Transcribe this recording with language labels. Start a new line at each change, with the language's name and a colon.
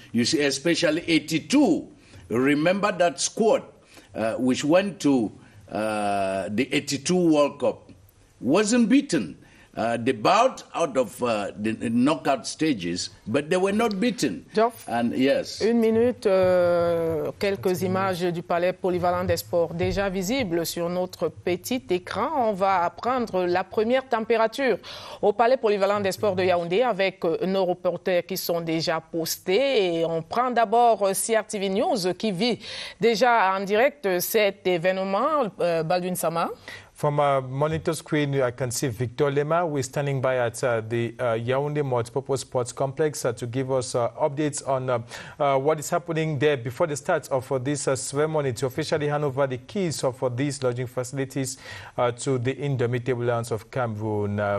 English: You see, especially 82. Remember that squad which went to the 82 World Cup wasn't beaten. They bowed out of the knockout stages, but they were not beaten. Geoff, and yes.
French: Une minute, quelques images du palais polyvalent des sports déjà visibles sur notre petit écran. On va prendre la première température au palais polyvalent des sports de Yaoundé avec nos reporters qui sont déjà postés. Et on prend d'abord CRTV News qui vit déjà en direct cet événement, Baldwin Sama.
English: From our monitor screen, I can see Victor Lema. We're standing by at the Yaoundé Multipurpose Sports Complex to give us updates on what is happening there before the start of this ceremony to officially hand over the keys of these lodging facilities to the Indomitable Lions of Cameroon.